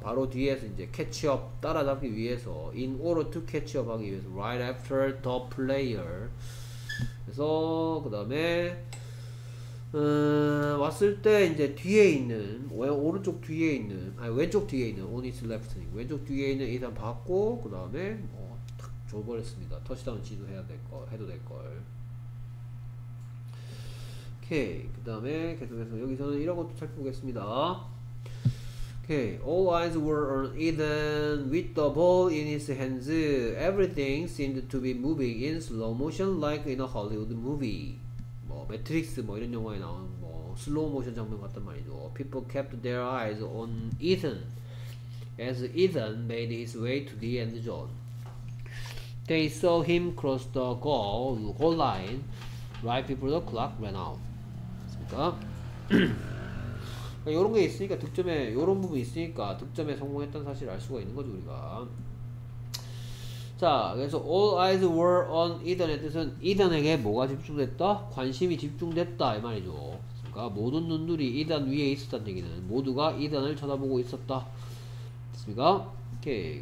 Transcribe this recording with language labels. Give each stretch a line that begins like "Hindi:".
Korean: 바로 뒤에서 이제 캐치업 따라잡기 위해서
English: in order to
Korean: 캐치업 하기 위해서
English: right after the player
Korean: 그래서 그 다음에 왔을 때 이제 뒤에 있는 오른쪽 뒤에 있는 아니 왼쪽 뒤에 있는
English: on his left
Korean: 왼쪽 뒤에 있는 일단 받고 그 다음에 뭐 탁 줘버렸습니다. 터치다운 지도 해야 될 걸 해도 될 걸 오케이. 그 다음에 계속해서 여기서는 이런 것도 살펴보겠습니다.
English: Okay, all eyes were on Ethan with the ball in his hands. Everything seemed to be moving in slow motion like in a Hollywood movie.
Korean: 뭐 매트릭스 뭐 이런 영화에 나오는 뭐 슬로우 모션 장면 같단 말이죠.
English: People kept their eyes on Ethan as Ethan made his way to the end zone. They saw him cross the goal line right before the clock ran out.
Korean: 됐습니까? 요런 게 있으니까 득점에 요런 부분이 있으니까 득점에 성공했다는 사실을 알 수가 있는 거죠 우리가. 자 그래서
English: all eyes were on Ethan
Korean: 의 뜻은 Ethan에게 뭐가 집중됐다? 관심이 집중됐다 이 말이죠. 그러니까 모든 눈들이 Ethan 위에 있었다는 얘기는 모두가 Ethan을 쳐다보고 있었다 됐습니까? 오케이.